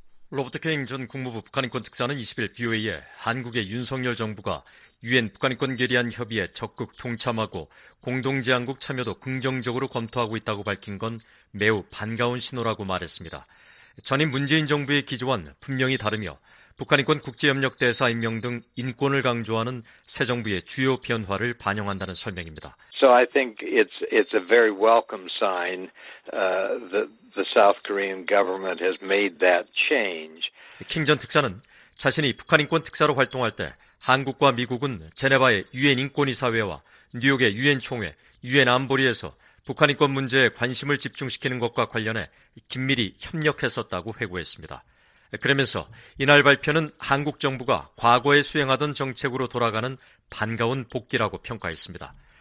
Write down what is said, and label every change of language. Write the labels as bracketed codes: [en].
[ko] 로버트 케잉 전 국무부 북한인권특사는 20일 VOA에 한국의 윤석열 정부가 유엔 북한인권 결의안 협의에 적극 동참하고 공동제안국 참여도 긍정적으로 검토하고 있다고 밝힌 건 매우 반가운 신호라고 말했습니다. 전임 문재인 정부의 기조와는 분명히 다르며 북한인권 국제협력대사 임명 등 인권을 강조하는 새 정부의 주요 변화를 반영한다는 설명입니다. [en] So I think it's a very welcome sign that the South Korean government has made that change. [ko] 킹 전 특사는 자신이 북한인권 특사로 활동할 때 한국과 미국은 제네바의 유엔 인권이사회와 뉴욕의 유엔 총회, 유엔 안보리에서 북한인권 문제에 관심을 집중시키는 것과 관련해 긴밀히 협력했었다고 회고했습니다. 그러면서 이날 발표는 한국 정부가 과거에 수행하던 정책으로 돌아가는 반가운 복귀라고 평가했습니다.